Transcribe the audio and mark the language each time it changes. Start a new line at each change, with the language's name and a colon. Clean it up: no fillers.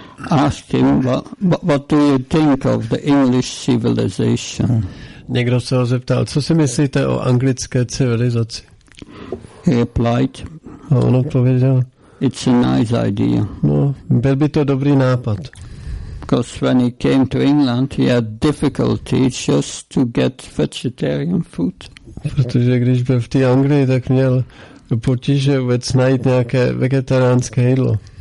English: asked him, what do you think of the English civilization?
Czech: Někdo se ho zeptal, co si myslíte o anglické civilizaci?
English: He replied,
Czech: a on odpověděl,
English: it's a nice idea.
Czech: No, byl by to dobrý nápad.
English: Because when he came to England, he had difficulty just to get vegetarian food.
Czech: Protože když byl v té Anglii, tak měl potíže vůbec najít nějaké vegetariánské jídlo.